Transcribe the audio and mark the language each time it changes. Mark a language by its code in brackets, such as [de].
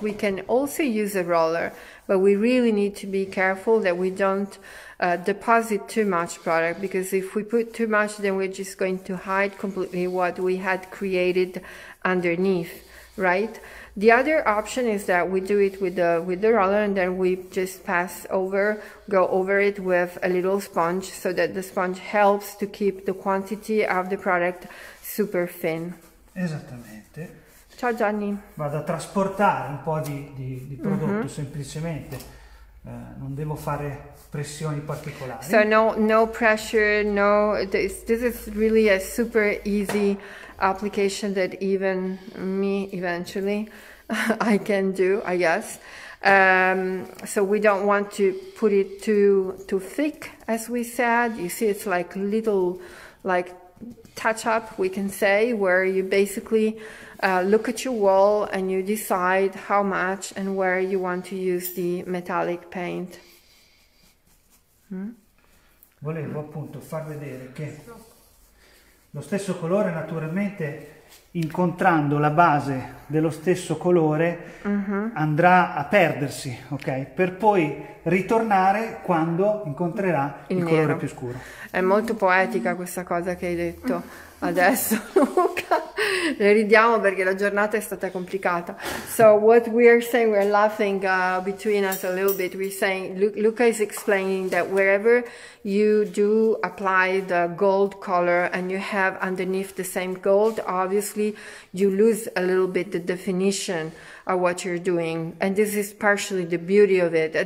[en] We can also use a roller, but we really need to be careful that we don't deposit too much product, because if we put too much, then we're just going to hide completely what we had created underneath, right? The other option is that we do it with the roller, and then we just go over it with a little sponge, so that the sponge helps to keep the quantity of the product super thin. [it] Esattamente. Ciao Gianni. Vado a trasportare un po' di prodotto, mm-hmm. semplicemente. Non devo fare pressioni particolari. [en] So no pressure, no. This is really a super easy application that even me eventually I can do, I guess. So we don't want to put it too thick, as we said. You see, it's like little, like touch up, we can say, where you basically look at your wall and you decide how much and where you want to use the metallic paint. [it] Volevo appunto far vedere che lo stesso colore, naturalmente incontrando la base dello stesso colore, mm-hmm. andrà a perdersi, ok? Per poi ritornare quando incontrerà il colore più scuro. È molto poetica questa cosa che hai detto adesso, Luca. Ne ridiamo perché la giornata è stata complicata. [en] So what we are saying, we're laughing between us a little bit. We're saying Luca is explaining that wherever you do apply the gold color and you have underneath the same gold, obviously you lose a little bit the definition of what you're doing, and this is partially the beauty of it.